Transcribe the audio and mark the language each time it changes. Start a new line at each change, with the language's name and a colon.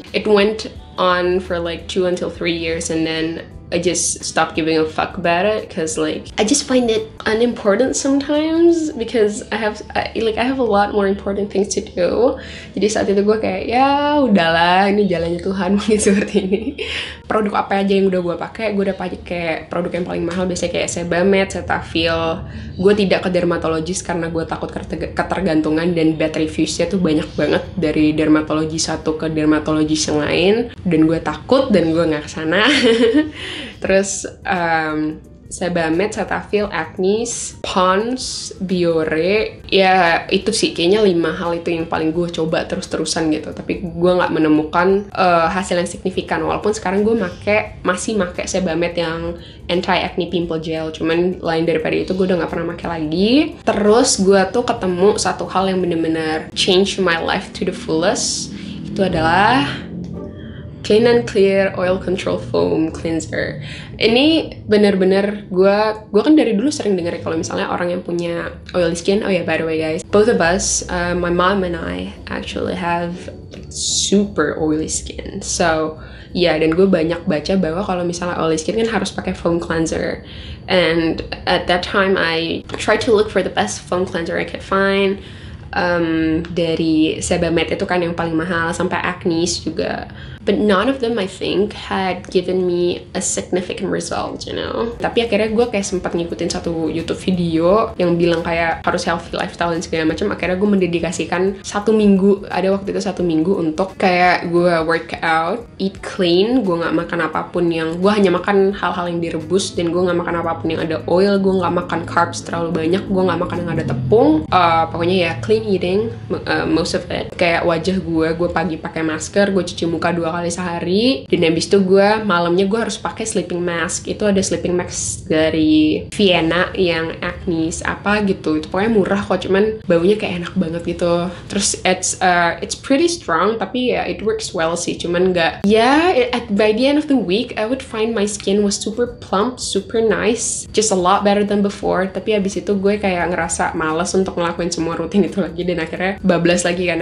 English: It went on for like 2 until 3 years and then I just stop giving a fuck about it, cause like I just find it unimportant sometimes because I have a lot more important things to do.
Indonesian: Jadi saat itu gue kayak ya udahlah, ini jalannya Tuhan mungkin seperti ini. Produk apa aja yang udah gue pakai? Gue udah pakai produk yang paling mahal, biasanya kayak Sebamed, Cetaphil. Gue tidak ke dermatologis karena gue takut ketergantungan dan bad reviewsnya tuh banyak banget dari dermatologi satu ke dermatologi yang lain. Dan gue takut dan gue nggak kesana. Terus Sebamed, Cetaphil, Acnes, Pons, Biore, ya itu sih kayaknya 5 hal itu yang paling gue coba terus-terusan gitu. Tapi gue nggak menemukan hasil yang signifikan. Walaupun sekarang gue masih pakai Sebamed yang anti acne pimple gel. Cuman lain daripada itu gue udah nggak pernah pakai lagi. Terus gue tuh ketemu satu hal yang benar-benar change my life to the fullest. Itu adalah Clean and Clear Oil Control Foam Cleanser. Ini benar-benar gue kan dari dulu sering dengar kalau misalnya orang yang punya oily skin.
English: Oh yeah, by the way guys, both of us, my mom and I actually have super oily skin.
Indonesian: So yeah, dan gue banyak baca bahwa kalau misalnya oily skin kan harus pakai foam cleanser.
English: And at that time I tried to look for the best foam cleanser I could find.
Indonesian: Dari Sebamed itu kan yang paling mahal, sampai Acnes juga.
English: But none of them, I think, had given me a significant result, you know.
Indonesian: Tapi akhirnya gue kayak sempat ngikutin satu YouTube video yang bilang kayak harus healthy lifestyle dan segala macam. Akhirnya gue mendedikasikan satu minggu, ada waktu itu satu minggu untuk kayak gue workout, eat clean, gue nggak makan apapun yang, gue hanya makan hal-hal yang direbus dan gue nggak makan apapun yang ada oil, gue nggak makan carbs terlalu banyak, gue nggak makan yang ada tepung. Pokoknya ya clean eating, most of it. Kayak wajah gue pagi pakai masker, gue cuci muka 2 kali sehari, dan abis itu gue malamnya gue harus pakai sleeping mask. Itu ada sleeping mask dari Vienna yang Acnes apa gitu, itu pokoknya murah kok, cuman baunya kayak enak banget gitu.
English: Terus it's pretty strong, tapi ya it works well sih, cuman gak ya by the end of the week I would find my skin was super plump, super nice, just a lot better than before.
Indonesian: Tapi abis itu gue kayak ngerasa malas untuk ngelakuin semua rutin itu lagi, dan akhirnya bablas lagi kan.